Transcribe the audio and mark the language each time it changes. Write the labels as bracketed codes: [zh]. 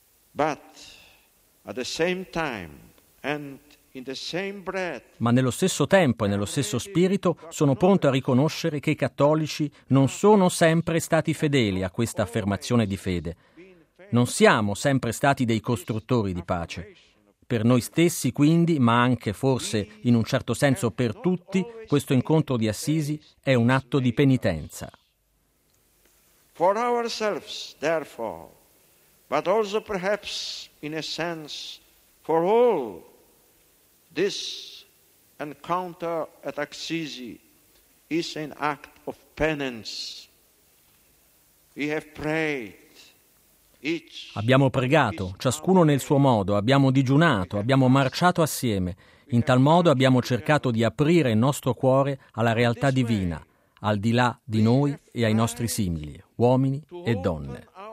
[en] But at the same time and in the same breath. [it] Ma nello stesso tempo e nello stesso spirito sono pronto a riconoscere che i cattolici non sono sempre stati fedeli a questa affermazione di fede. Non siamo sempre stati dei costruttori di pace. Per noi stessi, quindi, ma anche forse in un certo senso per tutti, questo incontro di Assisi è un atto di penitenza. [en] For ourselves, therefore, but also perhaps in a sense for all, this encounter at Assisi is an act of penance. We have prayed. [it] Abbiamo pregato, ciascuno nel suo modo, abbiamo digiunato, abbiamo marciato assieme. In tal modo abbiamo cercato di aprire il nostro cuore alla realtà divina, al di là di noi e ai nostri simili, uomini e donne.